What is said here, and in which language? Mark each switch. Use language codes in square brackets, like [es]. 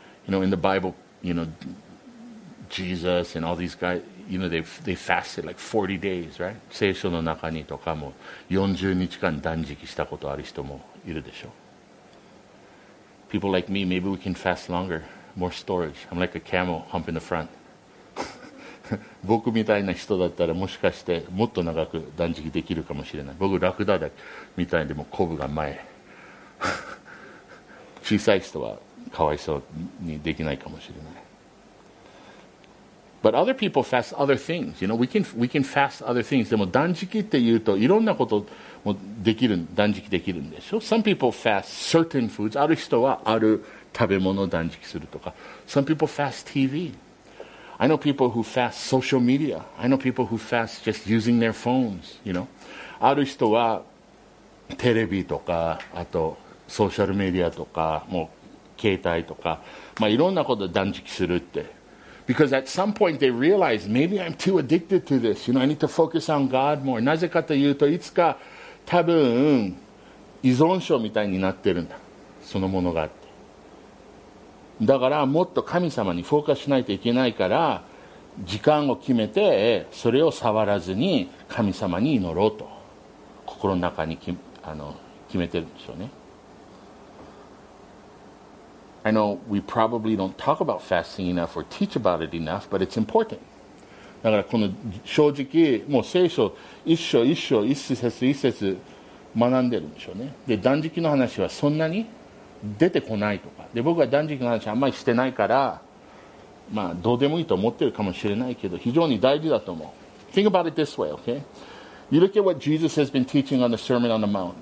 [en] You know, in the Bible, you know, Jesus and all these guys,you know, they fasted like 40 days, right? [ja] 聖書の中にとかも40日間断食したことある人もいるでしょう。 [en] People like me, maybe we can fast longer, more storage. I'm like a camel humping the front. [ja] 僕みたいな人だったらもしかしてもっと長く断食できるかもしれない。僕ラクダだみたいでもコブが前。小さい人はかわいそうにできないかもしれない。 [en] But other people fast other things. You know, we can fast other things. [ja] でも断食っていうといろんなこともできる、断食できるんでしょ。 [en] Some people fast certain foods. [ja] ある人はある食べ物を断食するとか。 [en] Some people fast TV. I know people who fast social media. I know people who fast just using their phones. [ja] You know, ある人はテレビとか、あとソーシャルメディアとか、もう携帯とか、まあいろんなことを断食するって。 [en] Because at some point they realize maybe I'm too addicted to this. You know, I need to focus on God more. [ja] なぜかというと、いつか多分依存症みたいになってるんだ。そのものがあって。だからもっと神様にフォーカスしないといけないから、時間を決めてそれを触らずに神様に祈ろうと心の中に決めてるんでしょうね。 [en] I know we probably don't talk about fasting enough or teach about it enough, but it's important. [ja] だからこの正直、もう聖書一章一章一節一節学んでるんでしょうね。で、断食の話はそんなに出てこないとか。で、僕は断食の話あんまりしてないから、まあどうでもいいと思ってるかもしれないけど、非常に大事だと思う。 [en] Think about it this way, okay? You look at what Jesus has been teaching on the Sermon on the Mount.